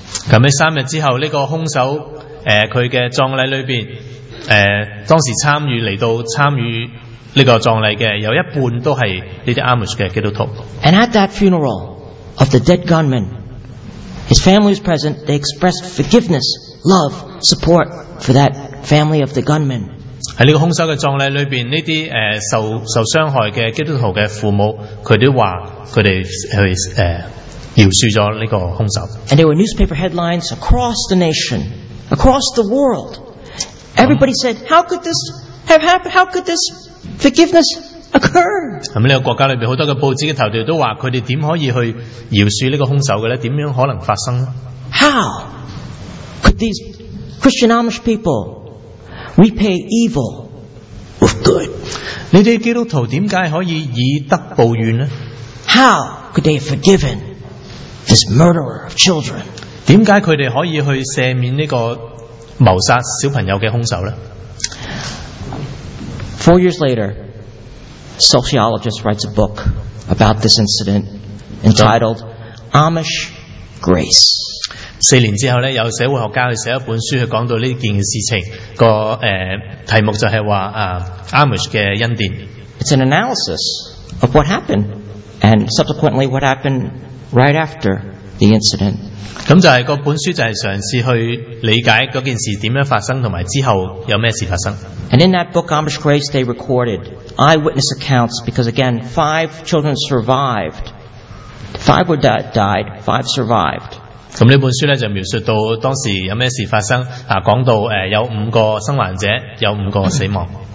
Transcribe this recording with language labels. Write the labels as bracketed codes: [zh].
[yue] 咁喺三日之后，呢个凶手佢嘅葬礼里边，当时参与呢个葬礼嘅有一半都系呢啲 Amish 嘅基督徒。 [en] And at that funeral of the dead gunman, his family was present. They expressed forgiveness, love, support for that family of the gunman. [yue] 喺呢个凶手嘅葬礼里边，呢啲受伤害嘅基督徒嘅父母，佢都话佢哋去饶恕咗呢个凶手。 [en] And there were newspaper headlines across the nation, across the world. Everybody said, "How could this have happened? How could this?" Forgiveness occurred. [yue] 咁呢个国家里边好多嘅报纸嘅头条都话，佢哋点可以去饶恕呢个凶手嘅咧？点样可能发生咧 [en] ？How could these Christian Amish people repay evil with good？ [yue] 你哋基督徒点解可以以德报怨咧 [en] ？How could they have forgiven this murderer of children？ [yue] 点解佢哋可以去赦免呢个谋杀小朋友嘅凶手咧？ [en] 4 years later, sociologist writes a book about this incident entitled Amish Grace. [yue] 四年之后咧，有社会学家去写一本书，去讲到呢件事情个题目就系话Amish 嘅恩典。 [en] It's an analysis of what happened and subsequently what happened right after the incident. [yue] 咁就系个本书就系尝试去理解嗰件事点样发生，同埋之后有咩事发生。 [en] And in that book, Amish Grace, they recorded eyewitness accounts because, again, five children survived. Five were died, five survived. [yue] 咁呢本书咧就描述到当时有咩事发生啊，讲到有五个生还者，有五个死亡。